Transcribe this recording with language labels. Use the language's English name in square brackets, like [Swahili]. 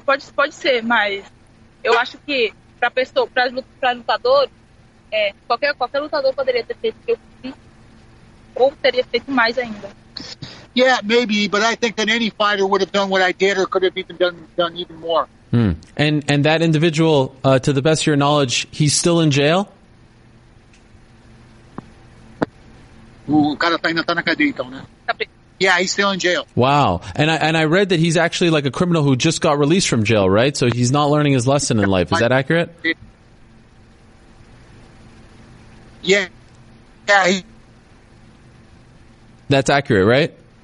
[Portuguese] Pode ser, mas eu acho que para pessoa, para lutador, qualquer lutador poderia ter feito o que eu fiz ou teria feito mais ainda. [English] Yeah, maybe, but I think that any fighter would have done what I did or could have even done even more. Hmm. And that individual, to the best of your knowledge, he's still in jail? [Portuguese] O cara ainda tá na cadeia, então, né? [English] Yeah, he's still in jail. Wow. And I read that he's actually like a criminal who just got released from jail, right? So he's not learning his lesson in life. Is that accurate? Yeah. That's accurate, right?